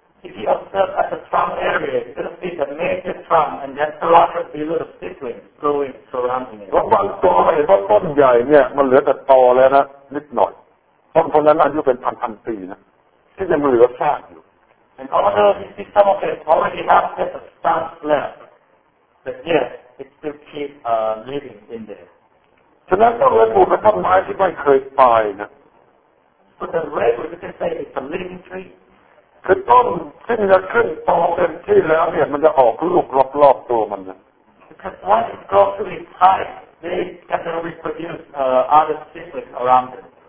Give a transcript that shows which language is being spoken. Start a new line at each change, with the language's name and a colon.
English: If you observe at the trunk area, you can see the major trunk and then a lot of little siblings growing surrounding it.
Thai: แล้วบางตัวเห็นว่าต้นใหญ่เนี่ยมันเหลือแต่ตอแล้วนะนิดหน่อยต้นคนนั้นอายุเป็นพันๆปีนะ ที่ยังเหลือซากอยู่
English: And all of these some of them already have just a trunk left, but yet it still keep living in there.
Thai: ฉะนั้นต้นเล็กบูดเป็นต้นไม้ที่ไม่เคยตายนะ
English: But the redwood, you can say it's a living tree.
Thai: คือต้นที่จะขึ้นตอเต็มที่แล้วเนี่ยมันจะออกลูกรอบๆตัวมันนะ
English: Because once it grows to its height, they can reproduce other seedlings around it.